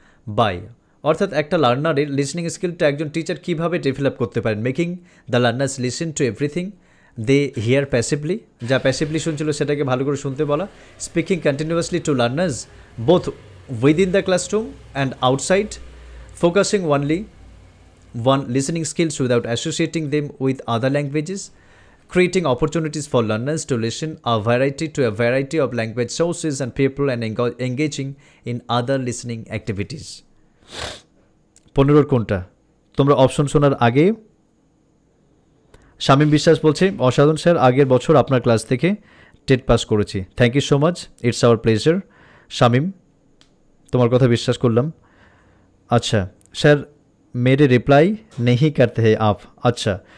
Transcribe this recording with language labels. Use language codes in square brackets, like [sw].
[en] by, [bn] অর্থাৎ একটা লার্নারের listening স্কিলটা একজন টিচার কীভাবে ডেভেলপ করতে পারেন, [en] making the learners listen to everything they hear passively, [bn] যা প্যাসিভলি শুনছিল সেটাকে ভালো করে শুনতে বলা, [en] Speaking continuously to learners both within the classroom and outside, focusing only one listening skills without associating them with other languages, creating opportunities for learners to listen a variety to a variety of language sources and people and engaging in other listening activities. [bn] পনেরোর কোনটা তোমরা option শোনার আগে শামীম বিশ্বাস বলছে অসাধন sir আগের বছর আপনার ক্লাস থেকে টেট পাস করেছি [en] thank you so much it's our pleasure [bn] Shamim তোমার কথা বিশ্বাস করলাম [hi] আচ্ছা স্যার মেরে রিপ্লাই নেহি করতে হ্যায় আপ আচ্ছা